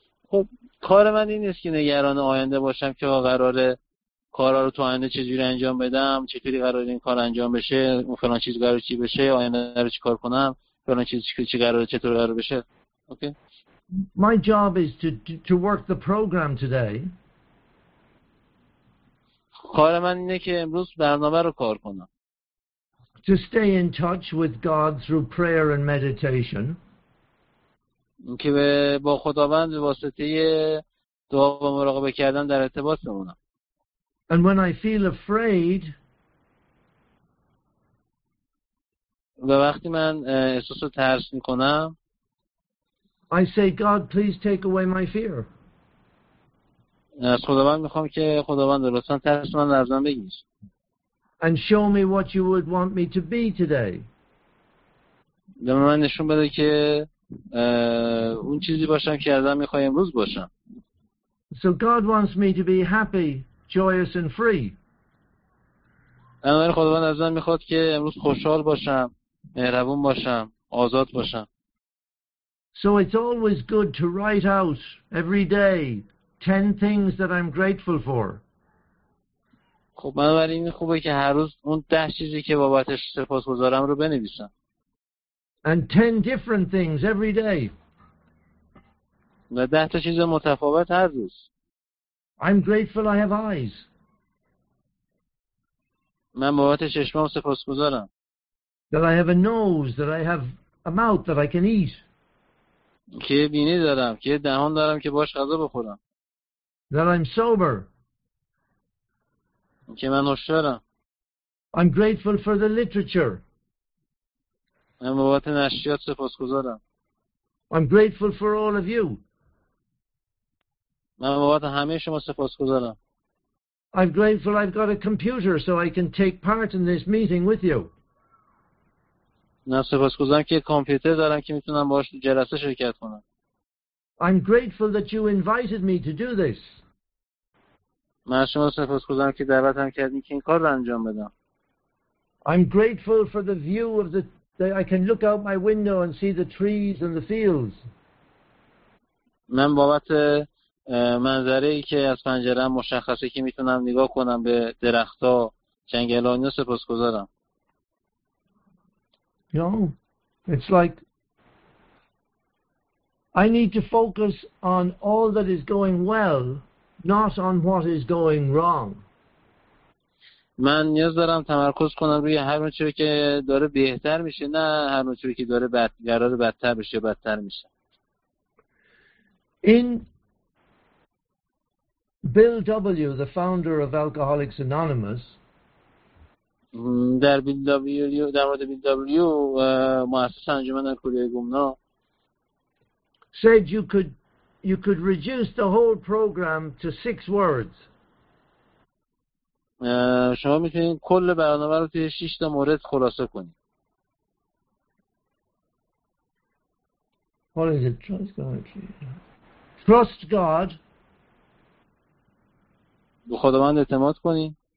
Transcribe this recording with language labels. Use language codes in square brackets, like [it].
[fa] خب کار من این نیست که نگران آینده باشم که قراره کارا رو تو آینده چجوری انجام بدم، چطوری قراره این کار انجام بشه، اون فلان چیز قراره چی بشه، آینده رو چی کار کنم، فلان چیز چی قراره چطور قراره بشه. اوکی. [en] My job is to work the program today. [fa] کار من اینه که امروز برنامه رو کار کنم. [en] To stay in touch with God through prayer and meditation. [fa] که با خداوند به واسطه دعا و مراقبه کردن در ارتباط بمونم. [en] And when I feel afraid, [fa] و وقتی من احساس ترس میکنم، [en] I say, God, please take away my fear. [fa] از خداوند میخوام که خداوند لطفاً ترس من از من بگیر. [en] And show me what you would want me to be today. [fa] به من نشون بده که اون چیزی باشم که ازم میخوای امروز باشم. [en] So God wants me to be happy, joyous and free. [fa] امروز خداوند از من میخواد که امروز خوشحال باشم، مهربون باشم، آزاد باشم. [en] So it's always good to write out every day 10 things that I'm grateful for. [fa] خب بنابراین خوبه که هر روز اون 10 چیزی که بابتش سپاسگزارم رو بنویسم. [en] And 10 different things every day. [fa] و 10 تا چیز متفاوت هر روز. [en] I'm grateful I have eyes. [fa] من بابت چشمام سپاسگزارم. [en] That I have a nose, that I have a mouth that I can eat. [fa] که بینی دارم، که دهان دارم که باش غذا بخورم. [en] That I'm sober. [fa] که من هوشیارم. [en] I'm grateful for the literature. [fa] من بابت نشریات سپاسگزارم. [en] I'm grateful for all of you. [fa] من بابت همه شما سپاسگزارم. [en] I'm grateful I've got a computer so I can take part in this meeting with you. [fa] من سپاسگزارم که کامپیوتر دارم که میتونم باهاش تو جلسه شرکت کنم. [en] I'm grateful that you invited me to do this. [fa] من شما سپاسگزارم که دعوتم کردین که این کار رو انجام بدم. [en] I'm grateful for the view of the I can look out my window and see the trees and the fields. [fa] من بابت منظره ای که از پنجره مشخصه که میتونم نگاه کنم به درختها، جنگل ها، اینا سپاسگزارم. [en] No, it's like I need to focus on all that is going well, not on what is going wrong. [fa] من نیاز دارم تمرکز کنم روی هر اون چیزی که داره بهتر میشه، نه هر اون چیزی که داره قرار بدتر بشه، بدتر میشه. [en] In Bill W, the founder of Alcoholics Anonymous. [fa] در بیل دبلیو، در مورد بیل دبلیو، مؤسس انجمن الکلی گمنام. [en] Said you could reduce the whole program to 6 words. [fa] شما میتونید کل برنامه رو توی 6 تا مورد خلاصه کنید. [en] What is it? Trust God. Trust God. [fa] به خداوند اعتماد کنی.